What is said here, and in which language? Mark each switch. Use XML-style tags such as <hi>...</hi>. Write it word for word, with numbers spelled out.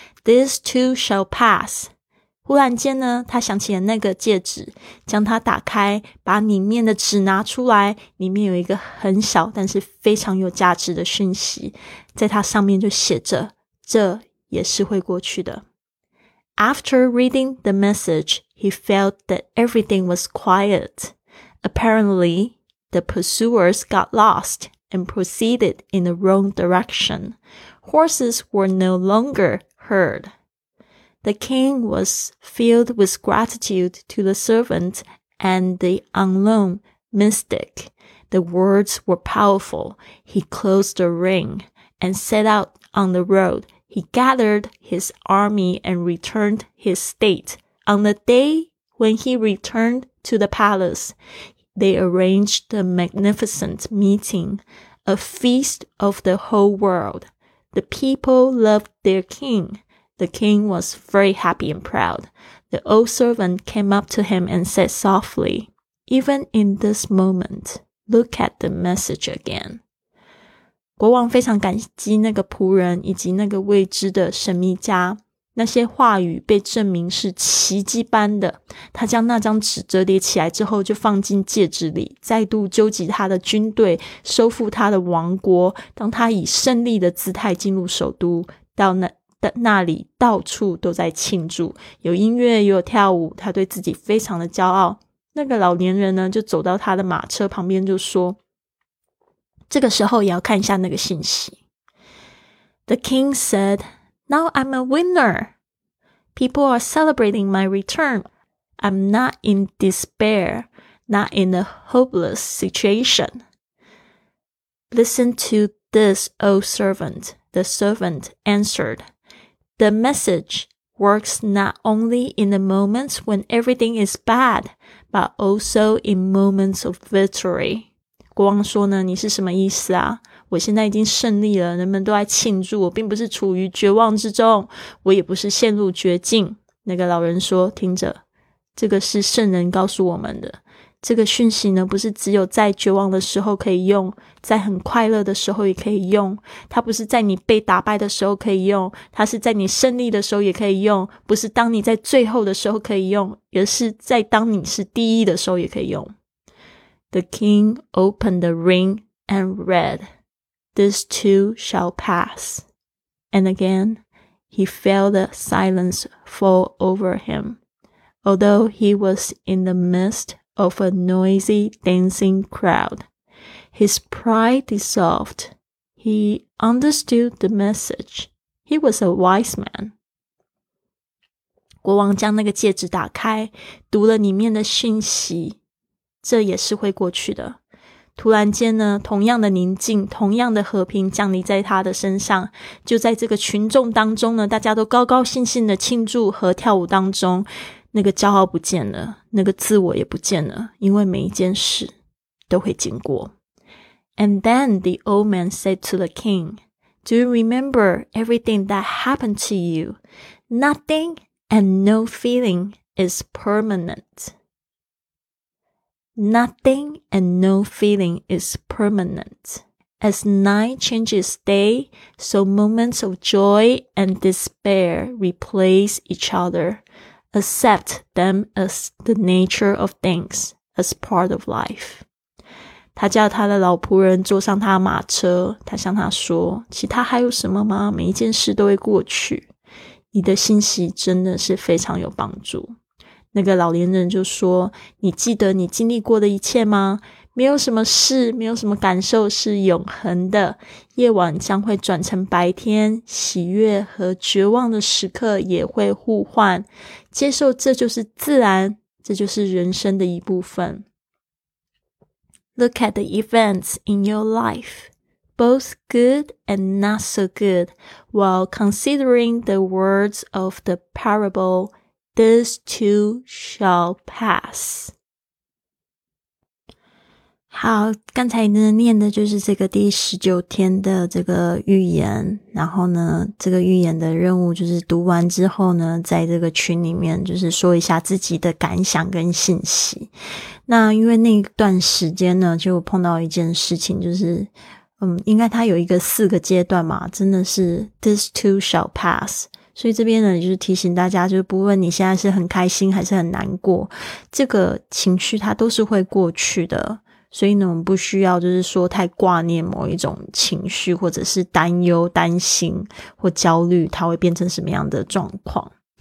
<en>These too shall pass.</en> <zh>忽然间呢，他想起了那个戒指，将它打开，把里面的纸拿出来，里面有一个很小但是非常有价值的讯息，在它上面就写着，这也是会过去的。</zh> <en>After reading the message, he felt that everything was quiet. Apparently, the pursuers got lost and proceeded in the wrong direction. Horses were no longer heard. The king was filled with gratitude to the servant and the unknown mystic. The words were powerful. He closed the ring and set out on the road. He gathered his army and returned his state. On the day when he returned to the palace, they arranged a magnificent meeting, a feast of the whole world. The people loved their king. The king was very happy and proud. The old servant came up to him and said softly, "Even in this moment, look at the message again."</en> <zh>国王非常感激那个仆人以及那个未知的神秘家，那些话语被证明是奇迹般的。他将那张纸折叠起来之后，就放进戒指里，再度纠集他的军队，收复他的王国。当他以胜利的姿态进入首都，到那那里到处都在庆祝，有音乐也有跳舞，他对自己非常的骄傲。那个老年人呢，就走到他的马车旁边就说，这个时候也要看一下那个信息。</zh> <en>The king said, "Now I'm a winner. People are celebrating my return. I'm not in despair, not in a hopeless situation. Listen to this, O servant." The servant answered,The message works not only in the moments when everything is bad, but also in moments of victory.</en> <zh>国王说呢，你是什么意思啊？我现在已经胜利了，人们都在庆祝，我并不是处于绝望之中，我也不是陷入绝境。那个老人说，听着，这个是圣人告诉我们的。这个讯息呢，不是只有在绝望的时候可以用，在很快乐的时候也可以用，它不是在你被打败的时候可以用，它是在你胜利的时候也可以用，不是当你在最后的时候可以用，而是在当你是第一的时候也可以用。</zh> <en>The king opened the ring and read, "This too shall pass." And again, he felt the silence fall over him, although he was in the midst of a noisy dancing crowd. His pride dissolved. He understood the message. He was a wise man.</en> <zh>国王将那个戒指打开，读了里面的讯息，这也是会过去的。突然间呢，同样的宁静，同样的和平降临在他的身上。就在这个群众当中呢，大家都高高兴兴的庆祝和跳舞当中，那个骄傲不见了，那个自我也不见了，因为每一件事都会经过。</zh> <en>And then the old man said to the king, "Do you remember everything that happened to you? Nothing and no feeling is permanent. Nothing and no feeling is permanent. As night changes day, so moments of joy and despair replace each other. Accept them as the nature of things, as part of life."</en> <zh>他叫他的老仆人坐上他的马车，他向他说，其他还有什么吗？每一件事都会过去。你的信息真的是非常有帮助。那个老年人就说，你记得你经历过的一切吗？没有什么事，没有什么感受是永恒的。夜晚将会转成白天，喜悦和绝望的时刻也会互换。接受这就是自然，这就是人生的一部分。</zh> <en>Look at the events in your life, both good and not so good, while considering the words of the parable, "This too shall pass."</en> <zh>好，刚才呢念的就是这个第十九天的这个预言，然后呢这个预言的任务就是读完之后呢，在这个群里面就是说一下自己的感想跟信息。那因为那段时间呢就碰到一件事情，就是嗯，应该它有一个四个阶段嘛，真的是</zh> <en>this too shall pass，</en> <zh>所以这边呢就是提醒大家，就是不论你现在是很开心还是很难过，这个情绪它都是会过去的，所以呢我们不需要就是说太挂念某一种情绪，或者是担忧担心或焦虑它会变成什么样的状况。</zh>